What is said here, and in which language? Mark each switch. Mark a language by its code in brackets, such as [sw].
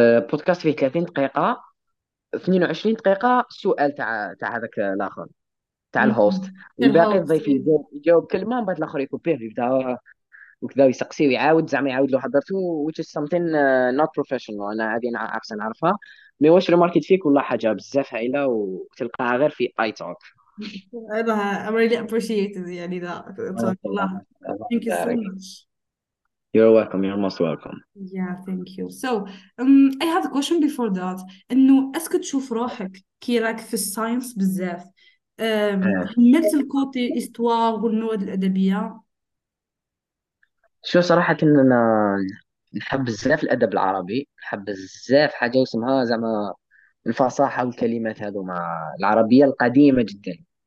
[ar] بودكاست فيه 30 دقيقة 22 دقيقة سؤال تاع هذاك الآخر تاع الهوست والباقي الضيف يجاوب كلمة من بعد الآخر يكوبيه يبدا وكذا ويسقسي ويعاود زعما يعاود له حضرته [en] which is something not professional [ar] أنا هذه عارف نعرفها مي واش ريماركت فيك والله حاجة بزاف هايلة وتلقاها غير في اي توك [en] I'm really appreciated [ar] يعني ذا بارك الله الله الله [en] thank you so [ar] يبارك [en] much you're welcome you're most welcome yeah thank you so I have a question before that [ar] إنه أسكو تشوف روحك كي راك في الساينس بزاف حملت الكوتي إستوار والمواد الأدبية شو صراحة إن أنا نحب بزاف الأدب العربي نحب بزاف حاجة اسمها زعما الفصاحة والكلمات هذو مع العربية القديمة جدا